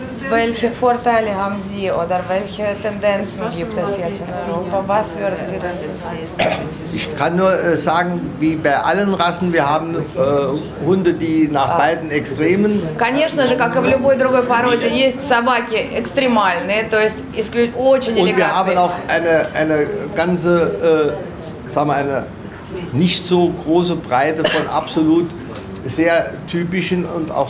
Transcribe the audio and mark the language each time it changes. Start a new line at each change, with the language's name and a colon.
German: Welche Vorteile haben Sie oder welche Tendenzen gibt es jetzt in Europa? Was würden Sie dazu sagen? Ich kann nur sagen, wie bei allen Rassen, wir haben Hunde, die nach beiden Extremen.
Russian: Конечно же, как и в любой другой породе, есть собаки экстремальные, то есть очень элегантные.
German: Und wir haben auch eine ganze, sagen wir, eine nicht so große Breite von absolut sehr typischen und auch